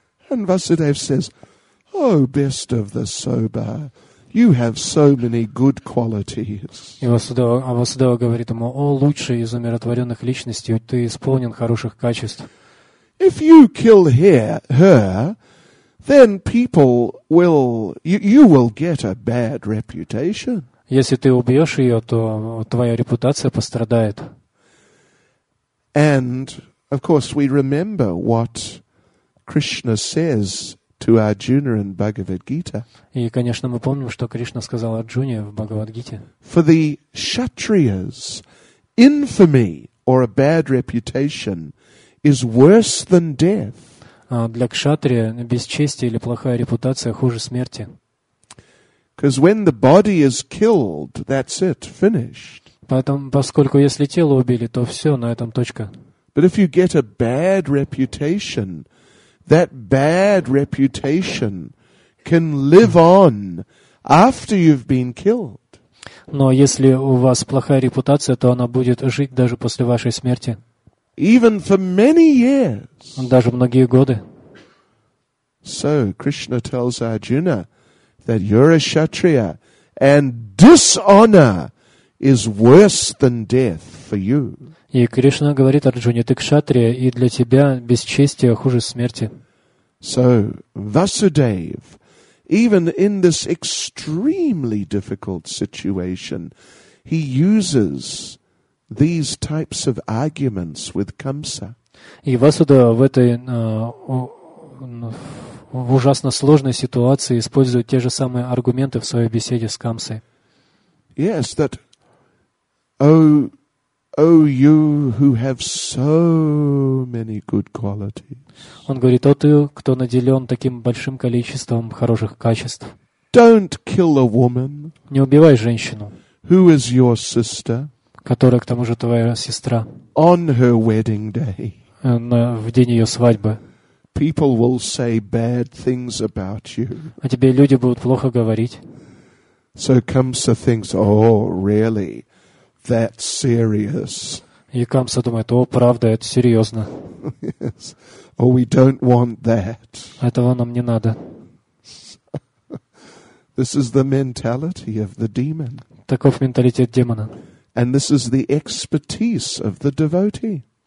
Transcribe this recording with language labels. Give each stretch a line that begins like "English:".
English: And Vasudev says, "O best of the sober, you have so many good qualities."
Russian: И Васудева говорит ему: "О лучший из умиротворенных личностей, ты исполнен хороших качеств."
English: If you kill her, then people will you will get a bad reputation.
Russian: Если ты убьешь ее, то твоя репутация пострадает.
English: And of course, we remember what Krishna says to Arjuna in Bhagavad Gita.
Russian: И, конечно, мы помним, что Кришна сказал Арджуне в Бхагавад-гите.
English: For the kshatriya's infamy or a bad reputation is worse than death.
Russian: Для кшатрия бесчестие или плохая репутация хуже смерти.
English: Because when the body is killed, that's it, finished.
Russian: Поскольку если тело убили, то все, на этом точка.
English: But if you get a bad reputation, that bad reputation can live on after you've been killed.
Russian: Но если у вас плохая репутация, то она будет жить даже после вашей смерти.
English: Even for many years.
Russian: Даже многие годы.
English: So Krishna tells Arjuna that you're a kshatriya and dishonor is worse than death for you.
Russian: И Кришна говорит Арджуне: ты кшатрия, и для тебя бесчестие хуже смерти.
English: So Vasudev Even in this extremely difficult situation, he uses these types of arguments with Камса.
Russian: И Васуда в этой в ужасно сложной ситуации использует те же самые аргументы в своей беседе с Камсой.
English: Yes, that oh you who have so many good qualities.
Russian: Он говорит: «О ты, кто наделен таким большим количеством хороших качеств».
English: Don't kill a woman.
Russian: Не убивай женщину.
English: Who is your sister?
Russian: Которая к тому же твоя сестра.
English: On her wedding day.
Russian: В день ее свадьбы.
English: People will say bad things about you.
Russian: О тебе люди будут плохо говорить.
English: So Камса thinks, oh, really? That's serious.
Russian: И Камса думает: о, правда, это серьезно.
English: Yes. Oh, we don't want that.
Russian: Этого нам не надо.
English: This is the mentality of the demon.
Russian: Таков менталитет демона.
English: And this is the expertise of the devotee.